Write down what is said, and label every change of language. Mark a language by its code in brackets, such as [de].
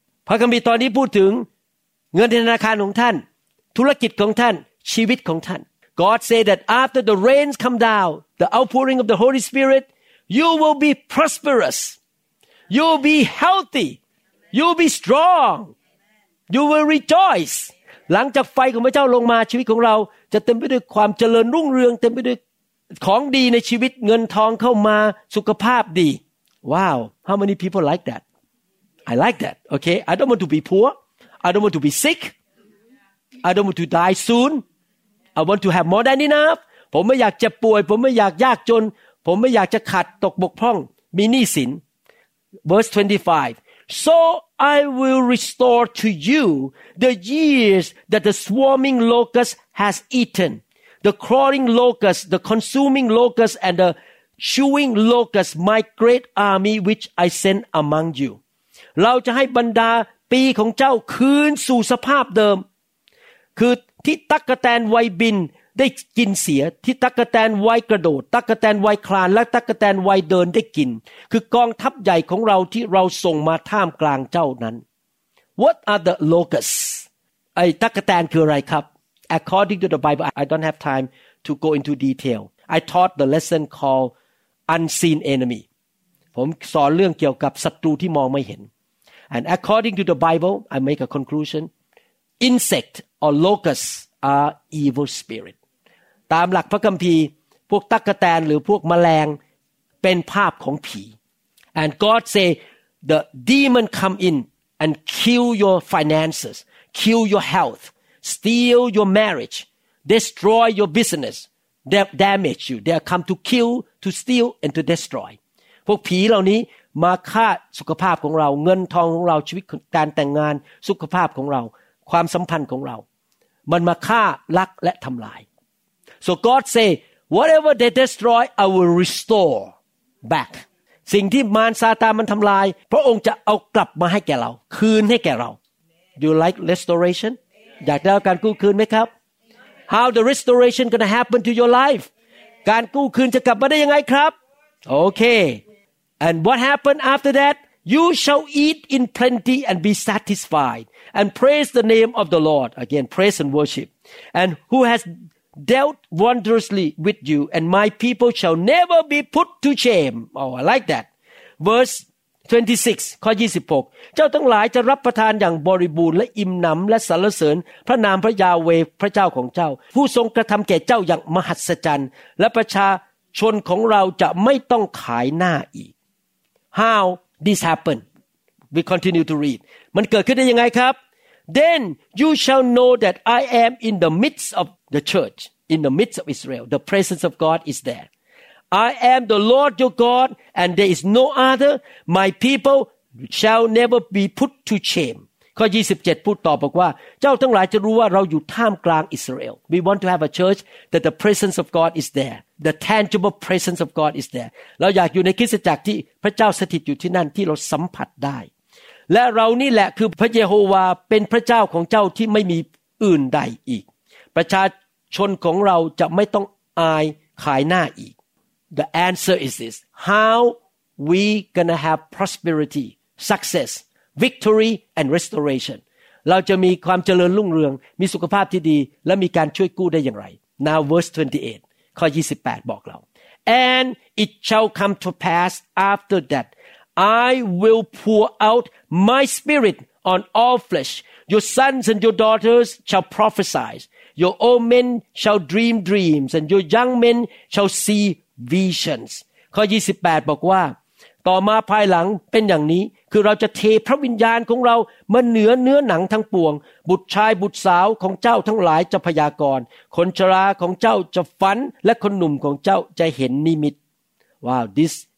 [th] พระคัมภีร์ตอนนี้พูดถึงเงินธนาคารของท่านธุรกิจของท่านชีวิตของท่าน [en] God said that after the rains come down, the outpouring of the Holy Spirit, you will be prosperous, you will be healthy, you will be strong, you will rejoice. [th] หลังจากไฟของพระเจ้าลงมาชีวิตของเราจะเต็มไปด้วยความเจริญรุ่งเรืองเต็มไปด้วยของดีในชีวิตเงินทองเข้ามาสุขภาพดีว้าว [en] How many people like that? I like that. Okay. I don't want to be poor. I don't want to be sick. I don't want to die soon. I want to have more than enough. [th] ผมไม่อยากเจ็บป่วยผมไม่อยากยากจนผมไม่อยากจะขาดตกบกพร่องมีหนี้สิน [en] Verse 25So I will restore to you the years that the swarming locust has eaten, the crawling locust, the consuming locust, and the chewing locust, my great army which I sent among you. [th] เราจะให้บรรดาปีของเจ้าคืนสู่สภาพเดิมคือที่ตั๊กกแตนวัยบินได้กินเสียที่ตั๊กกแตนวัยกระโดดตั๊กกแตนวัยคลานและตั๊กกแตนวัยเดินได้กินคือกองทัพใหญ่ของเราที่เราส่งมาท่ามกลางเจ้านั้น [en] What are the locusts [th] ไอ้ตั๊กกแตนคืออะไรครับ [en] According to the Bible I don't have time to go into detail I taught the lesson called unseen enemy [th] ผมสอนเรื่องเกี่ยวกับศัตรูที่มองไม่เห็น [en] And according to the Bible I make a conclusion insect or locustAre evil spirit. [th] ตามหลักพระคัมภีร์พวกตั๊กแตนหรือพวกแมลงเป็นภาพของผี [en] And God say the demon come in and kill your finances, kill your health, steal your marriage, destroy your business, damage you. They come to kill, to steal, and to destroy. [th] พวกผีเหล่านี้มาฆ่าสุขภาพของเราเงินทองของเราชีวิตการแต่งงานสุขภาพของเราความสัมพันธ์ของเรามันมาฆ่าลักและทำลาย [en] So God say whatever they destroy I will restore back [th] สิ่งที่มารซาตานมันทำลายพระองค์จะเอากลับมาให้แก่เราคืนให้แก่เรา [en] You like restoration [th] อยากได้การกู้คืนไหมครับ [en] How the restoration gonna happen to your life [th] การกู้คืนจะกลับมาได้ยังไงครับ [en] Okay and what happened after that you shall eat in plenty and be satisfiedAnd praise the name of the Lord again, praise and worship, and who has dealt wondrously with you, and my people shall never be put to shame. Oh, I like that. Verse 26, [th] ข้อ 26. เจ้าทั้งหลายจะรับประทานอย่างบริบูรณ์และอิ่มหนำและสรรเสริญพระนามพระยาเวห์พระเจ้าของเจ้าผู้ทรงกระทำแก่เจ้าอย่างมหัศจรรย์และประชาชนของเราจะไม่ต้องขายหน้าอีก [en] How this happened? We continue to read. [th] มันเกิดขึ้นได้ยังไงครับ [en] Then you shall know that I am in the midst of the church, in the midst of Israel. The presence of God is there. I am the Lord your God, and there is no other. My people shall never be put to shame. [th] ข้อ 27 พูดต่อบอกว่าเจ้าทั้งหลายจะรู้ว่าเราอยู่ท่ามกลางอิสราเอล [en] We want to have a church that the presence of God is there. The tangible presence of God is there. [th] เราอยากอยู่ในคริสตจักรที่พระเจ้าสถิตอยู่ที่นั่นที่เราสัมผัสได้และเรานี่แหละคือพระเยโฮวาเป็นพระเจ้าของเจ้าที่ไม่มีอื่นใดอีกประชาชนของเราจะไม่ต้องอายขายหน้าอีก [en] The answer is this How we gonna have prosperity, success, victory and restoration [th] เราจะมีความเจริญรุ่งเรืองมีสุขภาพที่ดีและมีการช่วยกู้ได้อย่างไร [en] Now verse 28 [th] ข้อ 28 บอกเรา [en] And it shall come to pass after thatI will pour out my spirit on all flesh. Your sons and your daughters shall prophesy. Your old men shall dream dreams, and your young men shall see visions. [th] ข้อ 28 บอกว่า ต่อมาภายหลังเป็นอย่างนี้คือเราจะเทพระวิญญาณของเรามาเหนือเนื้อหนังทั้งปวงบุตรชายบุตรสาวของเจ้าทั้งหลายจะพยากรณ์คนชราของเจ้าจะฝันและคนหนุ่มของเจ้าจะเห็นนิมิตว้าว this